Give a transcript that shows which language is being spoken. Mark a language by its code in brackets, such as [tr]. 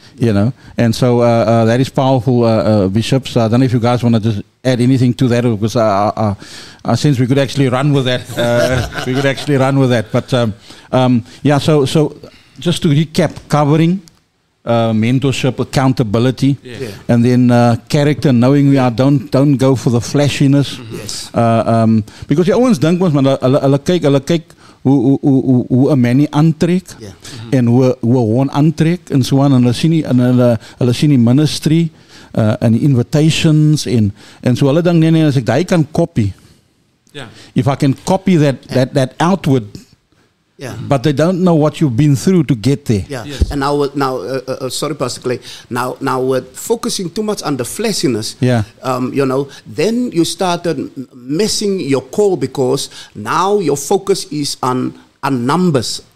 [en] You know, and so that is powerful, bishops. I don't know if you guys want to just add anything to that, because since we could actually run with that, we could actually run with that. But so just to recap, covering, mentorship, accountability, and then character, knowing we are, don't go for the flashiness. [af] Because jy ouens dink ons, man, hulle kyk hoe 'n man nie aantrek en hoe 'n hoorn aantrek en so aan, en hulle sien nie, en hulle sien die ministry en die invitations en so hulle dink nee, as ek daai kan copy, [en] if I can copy that outward. But they don't know what you've been through to get there. And now, Pastor Clay. Now, with focusing too much on the fleshiness. You know, then you started missing your call because now your focus is on numbers.